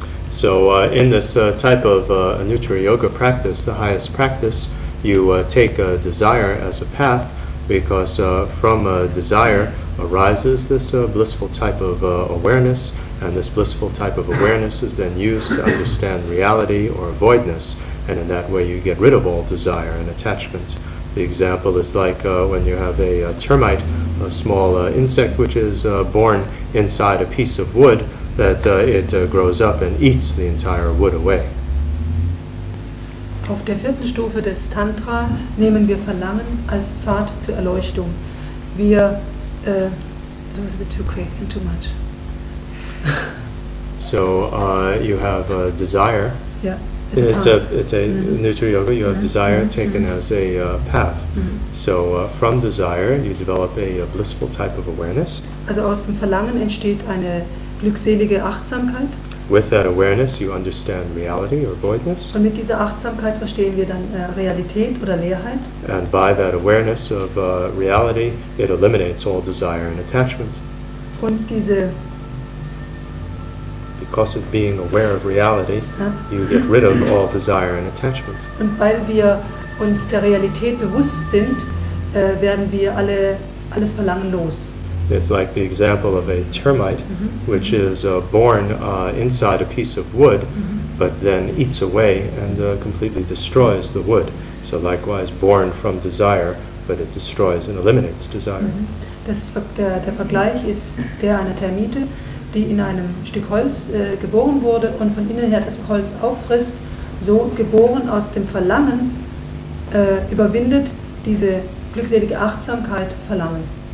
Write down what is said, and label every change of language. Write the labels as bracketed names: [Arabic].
[English] So in this type of Anuttara Yoga practice, the highest practice, you take a desire as a path, because from a desire arises this blissful type of awareness, and this blissful type of awareness is then used to understand reality or voidness, and in that way you get rid of all desire and attachment. The example is like when you have a termite, a small insect which is born inside a piece of wood, that it grows up and eats the entire wood away. [German] Auf der vierten Stufe des Tantra nehmen wir Verlangen als Pfad zur Erleuchtung. Wir [English] that was a bit too quick and too much. So you have a desire. Yeah. It's a Nutra Yoga. You have desire taken as a path. So from desire you develop a blissful type of awareness. [German] Also aus dem Verlangen entsteht eine glückselige Achtsamkeit. [English] With that awareness, you understand reality or voidness. [German] Und mit dieser Achtsamkeit verstehen wir dann Realität oder Leerheit. [English] And by that awareness of reality, it eliminates all desire and attachment. [German] Und diese [English] because of being aware of reality, you get rid of all desire and attachment. [German] Und weil wir uns der Realität bewusst sind, werden wir alles Verlangen los. [English] It's like the example of a termite, which is born inside a piece of wood, but then eats away and completely destroys the wood. So likewise, born from desire, but it destroys and eliminates desire. [German] Der Vergleich ist der einer Termite, die in einem Stück Holz geboren wurde und von innen her das Holz auffrisst, so geboren aus dem Verlangen, überwindet diese glückselige Achtsamkeit Verlangen.